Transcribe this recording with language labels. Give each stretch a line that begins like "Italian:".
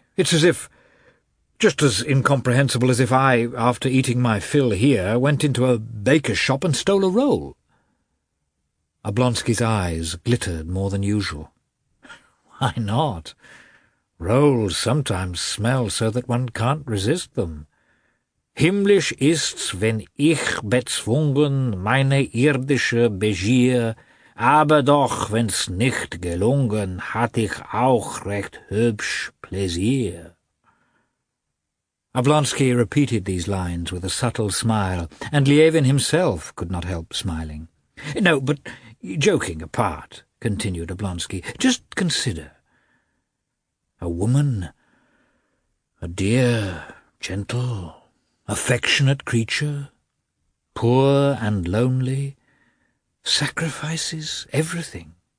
English: It's as if, just as incomprehensible as if I, after eating my fill here, went into a baker's shop and stole a roll. Oblonsky's eyes glittered more than usual. Why not? Rolls sometimes smell so that one can't resist them.
German: Himmlisch ist's, wenn ich bezwungen meine irdische Begier, aber doch, wenn's nicht gelungen, hat ich auch recht hübsch Plaisir.
English: Oblonsky repeated these lines with a subtle smile, and Lievin himself could not help smiling. No, but joking apart, continued Oblonsky, just consider. A woman, a dear, gentle, affectionate creature, poor and lonely, sacrifices everything.